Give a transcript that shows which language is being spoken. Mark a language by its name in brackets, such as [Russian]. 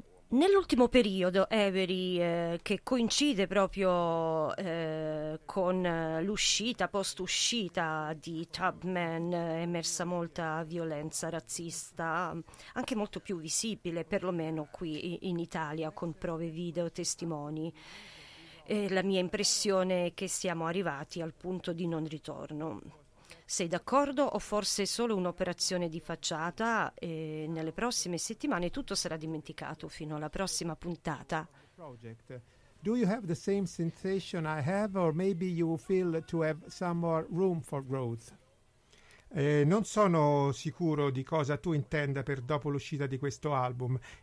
[Italian] Nell'ultimo periodo, Avery, che coincide proprio con l'uscita, post-uscita di Tubman, è emersa molta violenza razzista, anche molto più visibile, perlomeno qui in Italia, con prove video, testimoni. La mia impressione è che siamo arrivati al punto di non ritorno. Sei d'accordo o forse solo un'operazione di facciata e nelle prossime settimane tutto sarà dimenticato fino alla prossima puntata? [English] Do you have the same sensation I have or maybe you feel to have some more room for growth? [Italian] Non sono sicuro di cosa tu intenda per dopo l'uscita di questo album.